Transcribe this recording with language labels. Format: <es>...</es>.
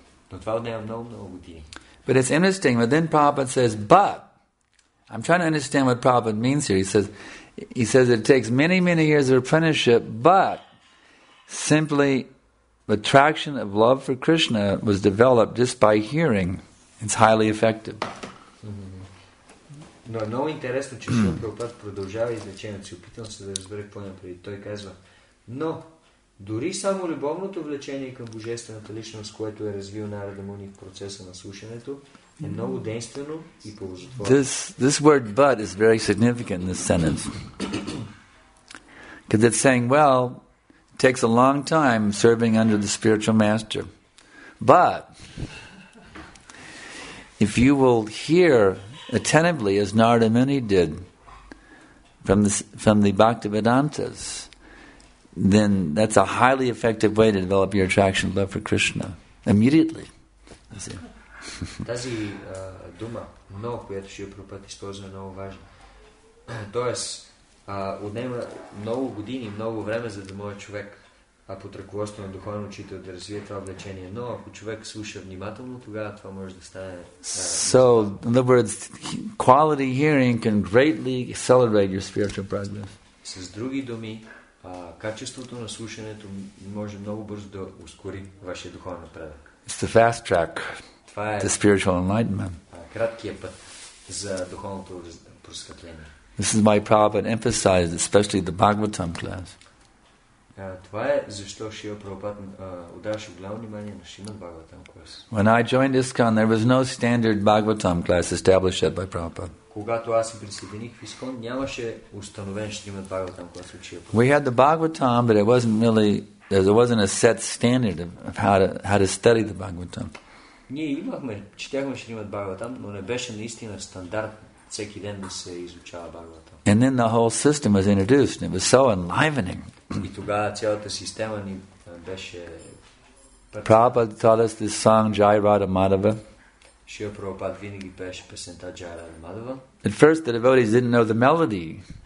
<en>But it's interesting, but then Prabhupada says, but I'm trying to understand what Prabhupada means here. He says it takes many, many years of apprenticeship, but simply attraction of love for Krishna was developed just by hearing. It's highly effective.</en> <bg>Но е много интересно, че Шрила Прабхупада продължава извлечението си. Опитвам се да разбера какво преди. Той казва, но дори само любовното влечение към Божествената личност, което е развил Нарада Муни в процеса на слушането, е много действено и положително.</bg> <en>This word but is very significant in this sentence. Because it's saying, well, it takes a long time serving under the spiritual master. But if you will hear attentively, as Narada Muni did from the Bhaktivedantas, then that's a highly effective way to develop your attraction and love for Krishna immediately.</en> <bg>Тази дума, много, която Шрила Прабхупада използва, е много важна. Тоест, отнема много години, много време, за да може човек под ръководство на духовен учител да развие това влечение. Но ако човек слуша внимателно, тогава това може да стане.</bg> <en>So, in other words, quality hearing can greatly accelerate your spiritual progress.</en> <bg>С други думи, качеството на слушането може много бързо да ускори вашия духовен напредък.</bg> <en>It's the fast track to spiritual enlightenment.</en> <bg>Краткият път за духовното просветление.</bg> <en>This is why Prabhupada emphasized, especially the Bhagavatam class.</en> <bg>Това е защо Шрила Прабхупада отдаваше голямо внимание на Шримад Бхагаватам клас.</bg> <en>When I joined ISKCON, there was no standard Bhagavatam class established by Prabhupada.</en> <bg>Когато аз се присъединих в ISKCON, нямаше установен Шримад Бхагаватам клас от Шрила</bg> <en>Прабхупада. We had the Bhagavatam, but it wasn't a set standard of how to study the Bhagavatam.</en> <bg>Ние имахме, четяхме Шримад Бхагаватам, но не беше наистина стандарт всеки ден да се изучава Бхагаватам.</bg> <en>And then the whole system was introduced, and it was so enlivening.</en> <bg>И тогава цялата система ни беше.</bg> <en>Prabhupada taught us this song Jai Radha Madhava.</en> <bg>Шрила Прабхупада винаги пееше песента Jai Radha Madhava.</bg> <en>At first the devotees didn't know the melody.</en>